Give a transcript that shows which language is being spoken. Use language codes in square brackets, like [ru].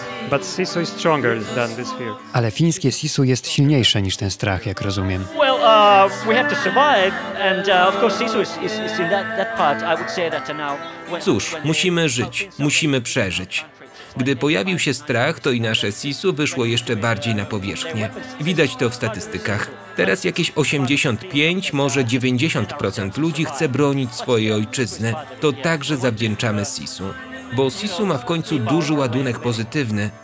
[en] But sisu is stronger than this fear. [pl] Ale fińskie sisu jest silniejsze niż ten strach, jak rozumiem. [en] Well, we have to survive, and of course sisu is in that part. I would say that now. [pl] Cóż, musimy żyć, musimy przeżyć. Gdy pojawił się strach, to i nasze sisu wyszło jeszcze bardziej na powierzchnię. Widać to w statystykach. Teraz jakieś 85, może 90% ludzi chce bronić swojej ojczyzny. To także zawdzięczamy sisu. Bo sisu ma w końcu duży ładunek pozytywny.